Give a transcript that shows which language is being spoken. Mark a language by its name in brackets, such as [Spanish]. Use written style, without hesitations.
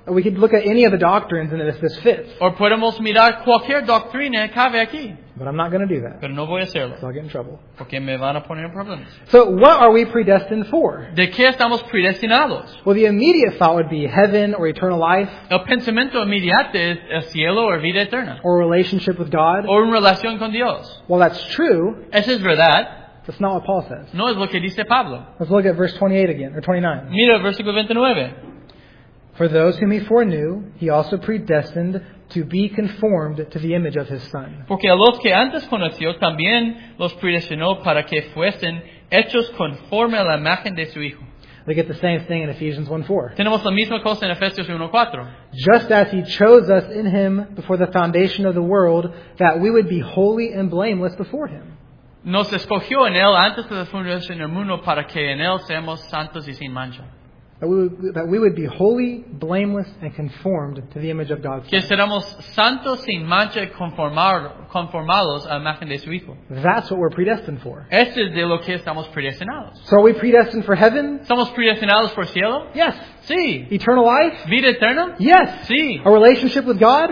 [English] We could look at any of the doctrines and if this fits. [Spanish] Or podemos mirar cualquier doctrina que cabe aquí. [English] But I'm not going to do that. [Spanish] Pero no voy a hacerlo. [English] So I'll get in trouble. [Spanish] Porque me van a poner problemas. [English] So what are we predestined for? [Spanish] ¿De qué estamos predestinados? [English] Well, the immediate thought would be heaven or eternal life. [Spanish] El pensamiento inmediato es el cielo o vida eterna. [English] Or a relationship with God. [Spanish] O una relación con Dios. [English] Well, that's true. [Spanish] Eso es verdad. [English] That's not what Paul says. [Spanish] No es lo que dice Pablo. [English] Let's look at verse 28 again, or 29. [Spanish] Mira el versículo 29. [English] For those whom he foreknew, he also predestined to be conformed to the image of his Son. [Spanish] Porque a los que antes conoció, también los predestinó para que fuesen hechos conforme a la imagen de su Hijo. [English] We get the same thing in Ephesians 1:4. [Spanish] Tenemos la misma cosa en Efesios 1:4. [English] Just as he chose us in him before the foundation of the world, that we would be holy and blameless before him. [Spanish] nos escogió en él antes de la fundación del mundo para que en él seamos santos y sin mancha. [English] That we would be holy, blameless, and conformed to the image of God's [Spanish] Son. Que seramos santos sin mancha y conformados a la imagen de su Hijo. [English] That's what we're predestined for. [Spanish] Este es de lo que estamos predestinados. [English] So are we predestined for heaven? [Spanish] Somos predestinados por cielo? [English] Yes. [Spanish] Sí. [English] Eternal life? [Spanish] Vida eterna? [English] Yes. [Spanish] Sí. [English] A relationship with God?